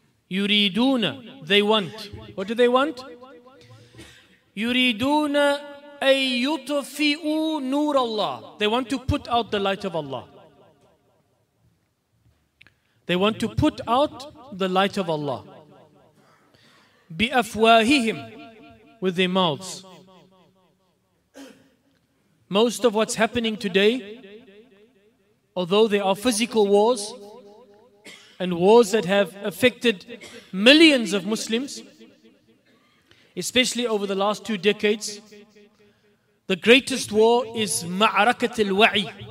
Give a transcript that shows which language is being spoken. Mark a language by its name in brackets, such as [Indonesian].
[Arabic] يريدون، [English] they want. What do they want? [Arabic] يريدون أن يطفئوا نور الله. [English] They want to put out the light of Allah. They want to put out the light of Allah. [Arabic] بأفواههم، [English] with their mouths. Most of what's happening today, although there are physical wars and wars that have affected millions of Muslims, especially over the last two decades, the greatest war is Ma'arakat al-Wa'i.